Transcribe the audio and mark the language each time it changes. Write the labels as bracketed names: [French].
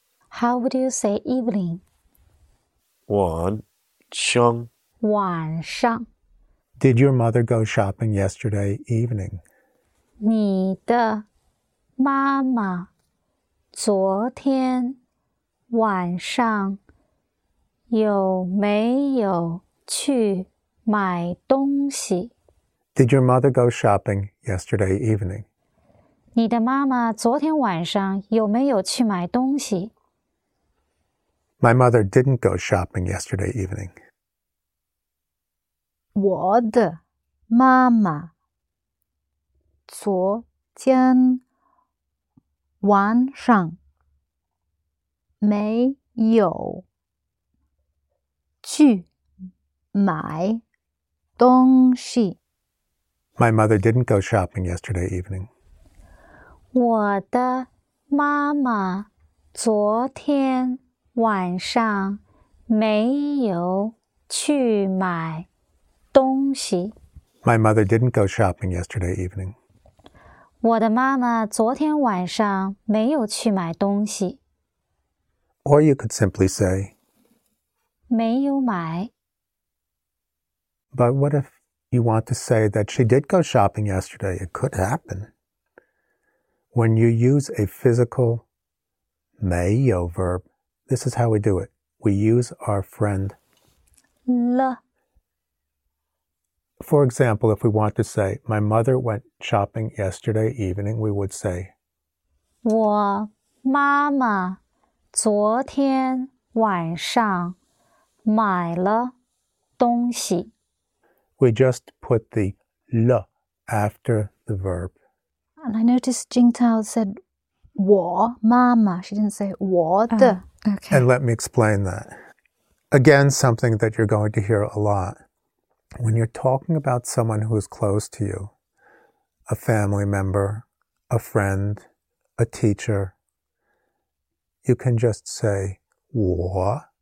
[English] How would you say evening? [Chinese] 晚上. 晚上. [English] Did your mother go shopping yesterday evening? [Chinese] 你的妈妈昨天晚上有没有去买东西? [English] Did your mother go shopping yesterday evening? [Chinese] 你的妈妈昨天晚上有没有去买东西? [English] My mother didn't go shopping yesterday evening. [Chinese] 我的妈妈昨天晚上没有去买东西。 [English] My mother didn't go shopping yesterday evening. [Chinese] 我的妈妈昨天晚上没有去买东西。 [English] My mother didn't go shopping yesterday evening. [Chinese] 我的妈妈昨天晚上没有去买东西。 [English] Or you could simply say, [Chinese] 没有买。 [English] But what if you want to say that she did go shopping yesterday? It could happen. When you use a physical 没有 verb, this is how we do it. We use our friend [Chinese] 了。 [English] For example, if we want to say, my mother went shopping yesterday evening, we would say, [Chinese] 我妈妈昨天晚上买了东西。 [English] We just put the 了 after the verb. And I noticed Jing Tao said [Chinese] 我妈妈. [English] She didn't say [Chinese] 我的. [English] Okay. And let me explain that. Again, something that you're going to hear a lot. When you're talking about someone who is close to you, a family member, a friend, a teacher, you can just say 我.